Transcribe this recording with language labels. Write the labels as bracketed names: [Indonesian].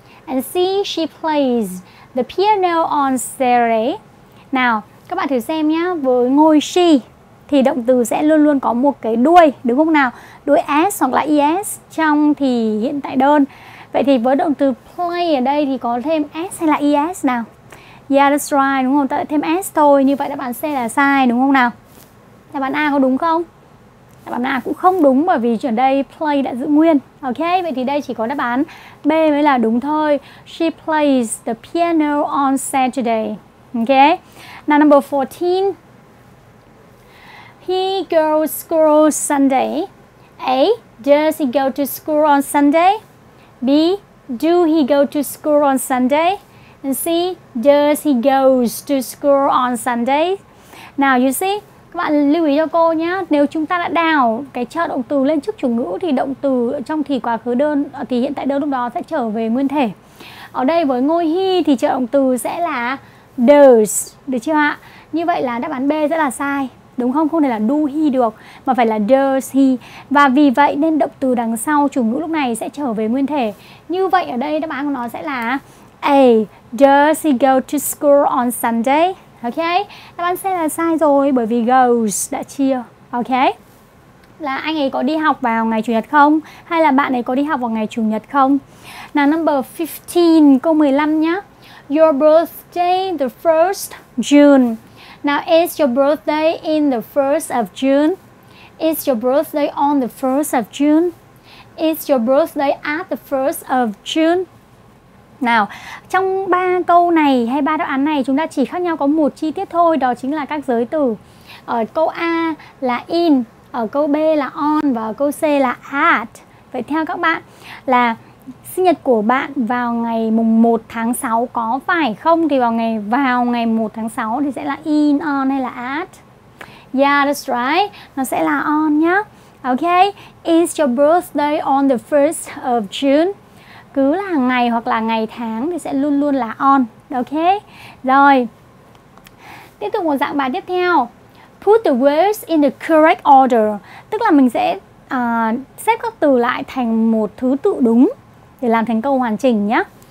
[English] And C, she plays the piano on Saturday. [Vietnamese] Nào, các bạn thử xem nhé. Với ngôi she thì động từ sẽ luôn luôn có một cái đuôi, đúng không nào? Đuôi s hoặc là es trong thì hiện tại đơn. Vậy thì với động từ play ở đây thì có thêm s hay là es nào? [English] Yeah, that's right, [Vietnamese] đúng không? Ta thêm s thôi. Như vậy đáp án C là sai, đúng không nào? Đáp án A có đúng không? Đáp án A cũng không đúng, bởi vì chuyển đây play đã giữ nguyên. Ok, vậy thì đây chỉ có đáp án B mới là đúng thôi. [English] She plays the piano on Saturday. Ok. Now number 14. He goes to school Sunday. A, does he go to school on Sunday? B, do he go to school on Sunday? And C, does he goes to school on Sunday? Now you see, [Vietnamese] các bạn lưu ý cho cô nhé. Nếu chúng ta đã đào cái trợ động từ lên trước chủ ngữ thì động từ trong thì quá khứ đơn, thì hiện tại đơn lúc đó sẽ trở về nguyên thể. Ở đây với ngôi he thì trợ động từ sẽ là does, được chưa ạ? Như vậy là đáp án B rất là sai, đúng không? Không thể là do he được, mà phải là does he. Và vì vậy nên động từ đằng sau chủ ngữ lúc này sẽ trở về nguyên thể. Như vậy ở đây đáp án của nó sẽ là A, [English] does he go to school on Sunday? [Vietnamese] Ok, đáp án C là sai rồi, bởi vì goes đã chia. Ok, là anh ấy có đi học vào ngày chủ nhật không? Hay là bạn ấy có đi học vào ngày chủ nhật không? [English] Now number 15, [Vietnamese] câu 15 nhá. [English] Your birthday the 1st June. Now is your birthday in the 1st of June? Is your birthday on the 1st of June? Is your birthday at the 1st of June? [Vietnamese] Nào, trong ba câu này hay ba đáp án này chúng ta chỉ khác nhau có một chi tiết thôi, đó chính là các giới từ. Ở câu A là in, ở câu B là on và ở câu C là at. Vậy theo các bạn là sinh nhật của bạn vào ngày mùng 1 tháng 6 có phải không? Thì vào ngày 1 tháng 6 thì sẽ là in, on hay là at? [English] Yeah, that's right. [Vietnamese] Nó sẽ là on nhá. [English] Okay, is your birthday on the 1st of June? [Vietnamese] cứ là ngày hoặc là ngày tháng thì sẽ luôn luôn là on. Ok. Rồi. Tiếp tục một dạng bài tiếp theo. [English] Put the words in the correct order. [Vietnamese] Tức là mình sẽ xếp các từ lại thành một thứ tự đúng để làm thành câu hoàn chỉnh nhé.